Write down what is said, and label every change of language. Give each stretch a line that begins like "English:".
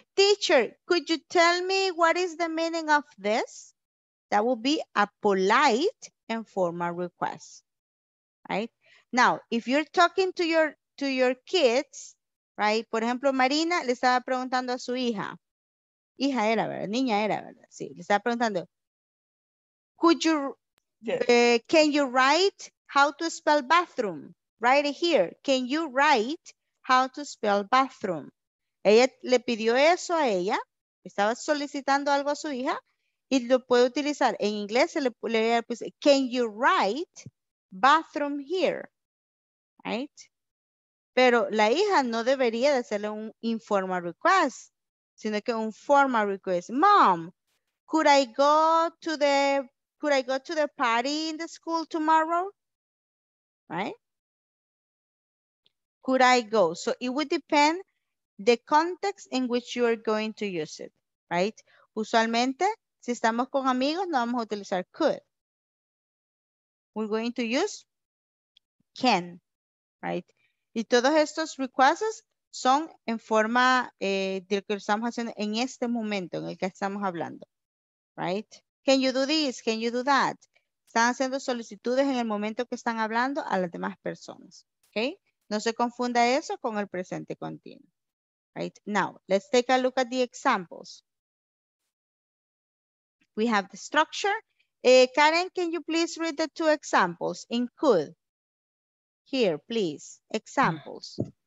English: Teacher, could you tell me what is the meaning of this? That would be a polite informal request. Right? Now, if you're talking to your kids, right?
Spanish: Por ejemplo, Marina le estaba preguntando a su hija. Hija era, ¿verdad? Niña era, ¿verdad? Sí, le estaba preguntando.
English: Could you,
Spanish: yes.
English: Can you write how to spell bathroom? Write it here. Can you write how to spell bathroom?
Spanish: Ella le pidió eso a ella. Estaba solicitando algo a su hija. Y lo puede utilizar. En inglés se le puse,
English: can you write bathroom here? Right?
Spanish: Pero la hija no debería de hacerle un informal request, sino que un formal request.
English: Mom, could I go to the party in the school tomorrow? Right? Could I go? So it would depend the context in which you are going to use it, right?
Spanish: Usualmente, si estamos con amigos, no vamos a utilizar could.
English: We're going to use can, right?
Spanish: Y todos estos requests son en forma de lo que estamos haciendo en este momento en el que estamos hablando, right?
English: Can you do this? Can you do that?
Spanish: Están haciendo solicitudes en el momento que están hablando a las demás personas, okay? No se confunda eso con el presente continuo, right?
English: Now, let's take a look at the examples. We have the structure. Karen, can you please read the two examples in could? here, please. Examples.